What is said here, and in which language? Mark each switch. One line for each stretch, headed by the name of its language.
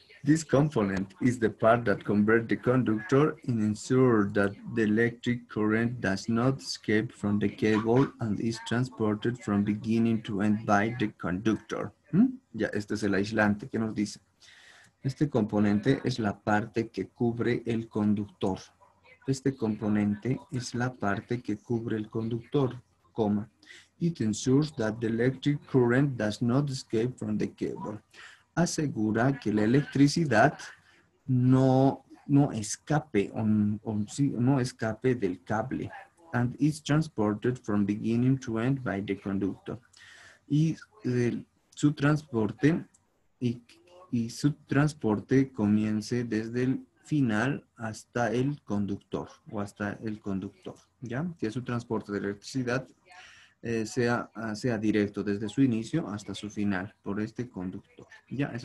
English: This component is the part that converts the conductor and ensures that the electric current does not escape from the cable and is transported from beginning to end by the conductor.
Spanish: Ya, este es el aislante. ¿Qué nos dice? Este componente es la parte que cubre el conductor. Este componente es la parte que cubre el conductor, coma.
English: It ensures that the electric current does not escape from the cable.
Spanish: Asegura que la electricidad no escape no escape del cable.
English: And is transported from beginning to end by the conductor.
Spanish: Y su transporte y su transporte comience desde el final hasta el conductor o hasta el conductor, ¿ya? Que su transporte de electricidad sea directo desde su inicio hasta su final por este conductor, ¿ya?